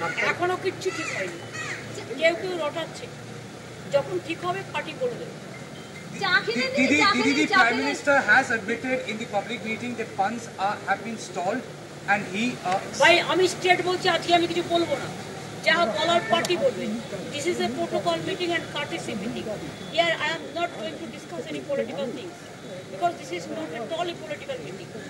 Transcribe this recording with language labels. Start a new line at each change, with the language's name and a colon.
Bangla: এখনো কিচ্ছু ঠিক হয়নি, কেউ কেউ রটাচ্ছে, যখন ঠিক হবে পার্টি বলে দেবে।
English: The Prime Minister has admitted in the public meeting that funds have been stalled and he...
Bangla: Bhai, আমি স্টেট বলছি, আজকে আমি কিছু বলবো না, যা বলার পার্টি বলবে।
English: This is a protocol meeting and courtesy meeting. Here I am not going to discuss any political things because this is not at all a political meeting.